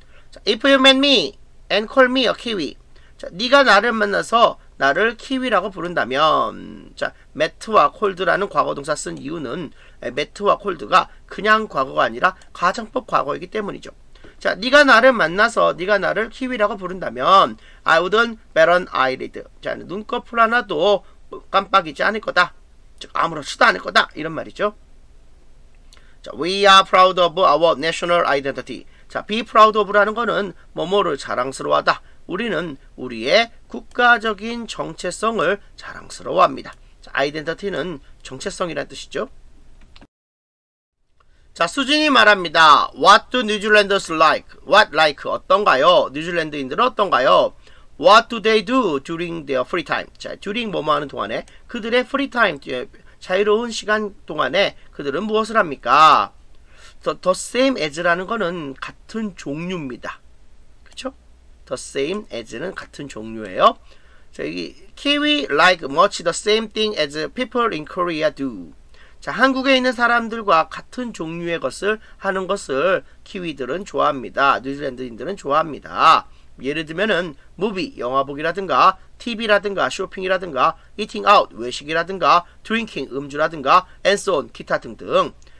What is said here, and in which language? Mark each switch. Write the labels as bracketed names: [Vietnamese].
[Korean] 자, [English] if you met me and call me a kiwi, [Korean] 자, 네가 나를 만나서 나를 키위라고 부른다면, 자, met와 called라는 과거동사 쓴 이유는 met와 called가 그냥 과거가 아니라 가정법 과거이기 때문이죠. 자, 네가 나를 만나서 네가 나를 키위라고 부른다면 [English] I wouldn't bat an eyelid. [Korean] 자, 눈꺼풀 하나도 깜빡이지 않을 거다. 즉 아무렇지도 않을 거다. 이런 말이죠. [English] 자, we are proud of our national identity. [Korean] 자, be proud of라는 거는 뭐뭐를 자랑스러워하다. 우리는 우리의 국가적인 정체성을 자랑스러워합니다. 자, identity는 정체성이라는 뜻이죠. 자, 수진이 말합니다. [English] What do New Zealanders like? What like? [Korean] 어떤가요? 뉴질랜드인들은 어떤가요? [English] What do they do during their free time? [Korean] 자, during 뭐뭐하는 동안에 그들의 free time, 자유로운 시간 동안에 그들은 무엇을 합니까? The same as라는 거는 같은 종류입니다. 그쵸? The same as는 같은 종류예요. 자, 여기 [English] Kiwi like much the same thing as people in Korea do. [Korean] 자, 한국에 있는 사람들과 같은 종류의 것을 하는 것을 키위들은 좋아합니다. 뉴질랜드인들은 좋아합니다. 예를 들면은 무비, 영화 보기라든가, TV라든가, 쇼핑이라든가, eating out, 외식이라든가, drinking, 음주라든가, [English] and so on, [Korean] 기타 등등.